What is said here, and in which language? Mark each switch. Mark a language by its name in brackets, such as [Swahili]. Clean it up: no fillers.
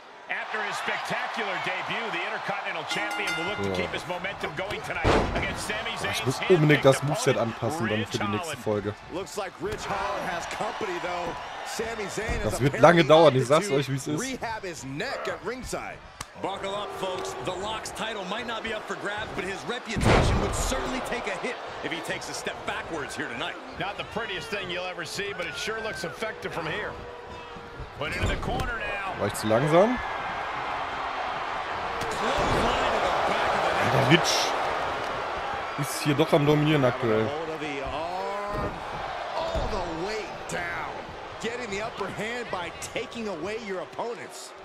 [English] After his spectacular debut, the Intercontinental Champion will look to keep his momentum going tonight against Sami Zayn. [German] Ich muss unbedingt das Moveset anpassen dann für die nächste Folge. [English] Looks like Rich Holland has company though. [German] Sami Zayn is. Das wird lange dauern, ich sag's euch, wie es ist. [English] Rehab his neck at ringside. Buckle up, folks. The Lock's title might not be up for grabs, but his reputation would certainly take a hit if he takes a step backwards here tonight. Not the prettiest thing you'll ever see, but it sure looks effective from here. Put into the corner now. [German] War ich zu langsam? Der Rich ist hier doch am Dominieren aktuell. [English] All the way down. Getting the upper hand by taking away your opponents.